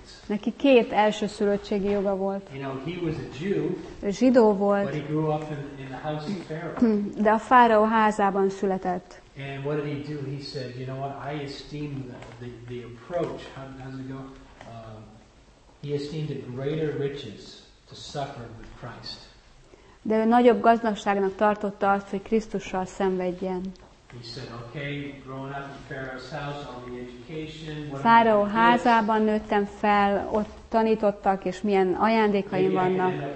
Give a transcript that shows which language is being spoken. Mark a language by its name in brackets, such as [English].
[Hungarian] Neki két első szülöttségi joga volt. [English] You know, he was a Jew, [Hungarian] zsidó volt, [English] but he grew up in the house of Pharaoh. [Hungarian] De a fáraó házában született. [English] And what did he do? He said, you know what, I esteem the approach. How's it go? He esteemed it greater riches to suffer with Christ. [Hungarian] De ő nagyobb gazdagságnak tartotta azt, hogy Krisztussal szenvedjen. [English] He said, okay, growing up in Pharaoh's house, all the education. [Hungarian] Fáraó házában nőttem fel, ott tanítottak, és milyen ajándékaim vannak.